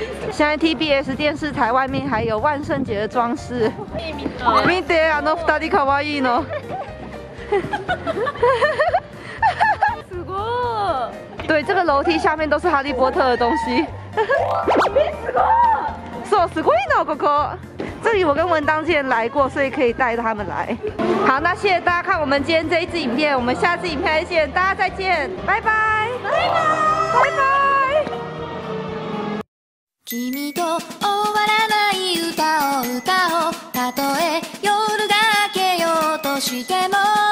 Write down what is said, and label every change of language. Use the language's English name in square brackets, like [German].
[Chinese] 现在 TBS 电视台外面还有万圣节的装饰。 [Japanese] 見て、あの二人可愛いの。すごい。 [Chinese] 对，这个楼梯下面都是哈利波特的东西。 [Japanese] すごい。そう、すごいのここ。这 [Chinese] 里我跟文当之前来过，所以可以带他们来。好，那谢谢大家看我们今天这一支影片，我们下次影片再见，大家再见，拜拜，拜拜，拜拜。 [Japanese] 君と終わらない歌を歌おう。たとえ夜が明けようとしても。